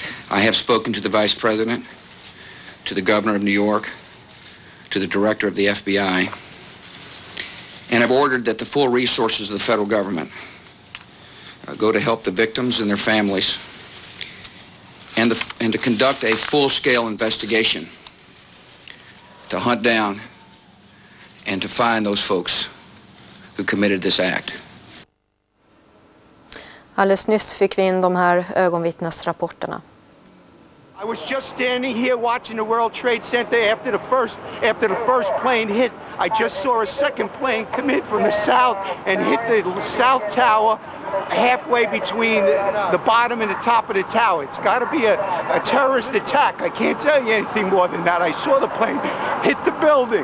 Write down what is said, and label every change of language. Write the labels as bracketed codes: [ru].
[en] I have spoken to the vice president, to the governor of New York, to the director of the FBI, and have ordered that the full resources of the federal government go to help the victims and their families and to conduct a full-scale investigation to hunt down and to find those folks who committed this act. [sv] Alldeles nyss fick vi in de här ögonvittnesrapporterna. [en] I was just standing here watching the World Trade Center after the first plane hit. I just saw a second plane come in from the south and hit the south tower halfway between the bottom and the top of the tower. It's got to be a terrorist attack. I can't tell you anything more than that. I saw the plane hit the building.